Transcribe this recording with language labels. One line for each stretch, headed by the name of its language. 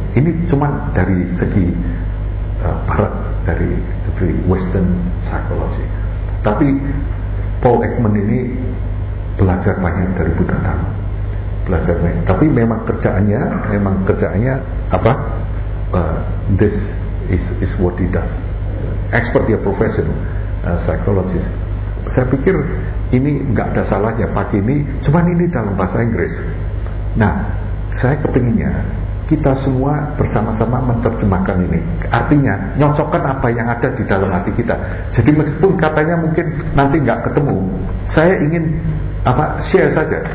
Indonesian: Ini cuma dari segi barat, dari Western psychology. Tapi Paul Ekman ini belajar banyak dari Buddha Dharma. Belajar banyak. Tapi memang kerjaannya apa?
English: This is what he does.
Indonesian: Expert dia, professional psychologist. Saya pikir ini enggak ada salahnya pagi ini. Cuma ini dalam bahasa Inggris. Nah, saya kepinginnya kita semua bersama-sama menerjemahkan ini. Artinya, nyocokkan apa yang ada di dalam hati kita. Jadi meskipun katanya mungkin nanti enggak ketemu, saya ingin apa share saja.